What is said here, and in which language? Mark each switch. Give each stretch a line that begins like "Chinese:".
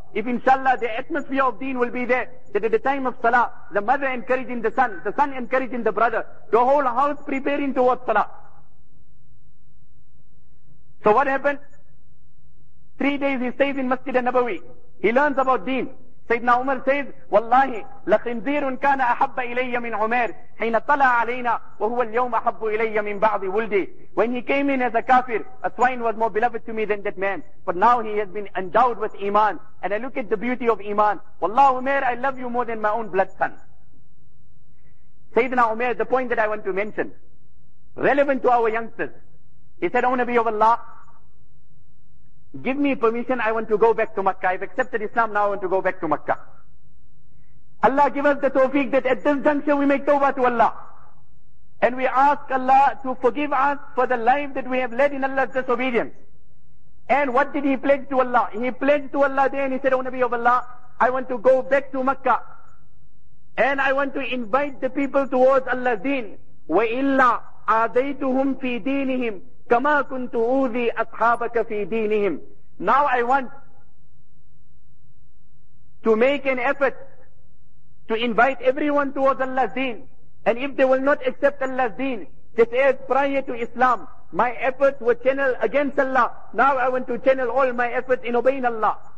English: If inshallah the atmosphere of deen will be there, that at the time of salah, the mother encouraging the son encouraging the brother, the whole house preparing towards salah. So what happened? 3 days he stays in Masjid al-Nabawi. He learns about deen. Sayyidina Umar says,
Arabic: Wallahi, لَخِنْزِيرٌ كَانَ أَحَبَّ إِلَيَّ مِنْ عُمَيْرٍ حِينَ طَلَعَ عَلَيْنَا وَهُوَ الْيَوْمَ أَحَبُّ إِلَيَّ مِنْ بَعْضِ وُلْدِي.
English: When he came in as a kafir, a swine was more beloved to me than that man. But now he has been endowed with iman. And I look at the beauty of iman. Wallahi Umar, I love you more than my own blood son. Sayyidina Umar, the point that I want to mention, relevant to our youngsters. He said, O Nabi of Allah, give me permission, I want to go back to Makkah. I've accepted Islam, now I want to go back to Makkah. Allah give us the tawfiq that at this juncture we make tawbah to Allah. And we ask Allah to forgive us for the life that we have led in Allah's disobedience. And what did he pledge to Allah? He pledged to Allah there and he said, O Nabi of Allah, I want to go back to Makkah. And I want to invite the people towards Allah's deen.
Arabic: Wa illa adaytuhum fi deenihim. كَمَا كُنْتُ أُوذِي أَصْحَابَكَ فِي دِينِهِمْ.
English: Now I want to make an effort to invite everyone towards Allah's deen. And if they will not accept Allah's deen, just as prior to Islam, my efforts were channeled against Allah. Now I want to channel all my efforts in obeying Allah.